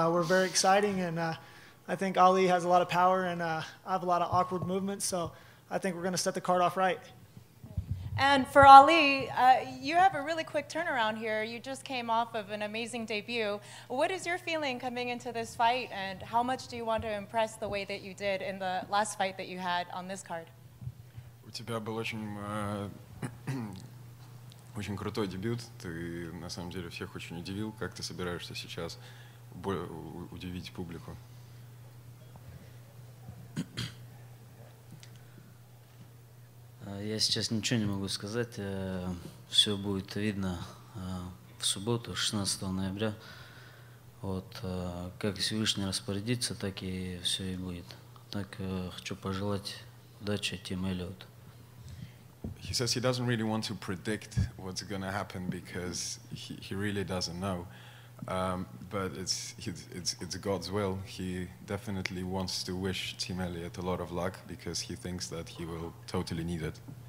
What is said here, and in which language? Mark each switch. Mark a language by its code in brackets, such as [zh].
[en] We're very exciting, and I think Ali has a lot of power, and I have a lot of awkward movements, so I think we're going to set the card off right. And for Ali, you have a really quick turnaround here. You just came off of an amazing debut. What is your feeling coming into this fight, and how much do you want to impress the way that you did in the last fight that you had on this card? [ru] У тебя был очень крутой дебют. Ты на самом деле всех очень удивил. Как ты собираешься сейчас удивить публику? Я сейчас ничего не могу сказать. Все будет видно в субботу, 16 ноября. Вот как Всевышний распорядится, так и все и будет. Так хочу пожелать удачи Тим Эллиот. [en] He says he doesn't really want to predict what's going to happen because he really doesn't know. But it's God's will. He definitely wants to wish Tim Elliott a lot of luck because he thinks that he will totally need it.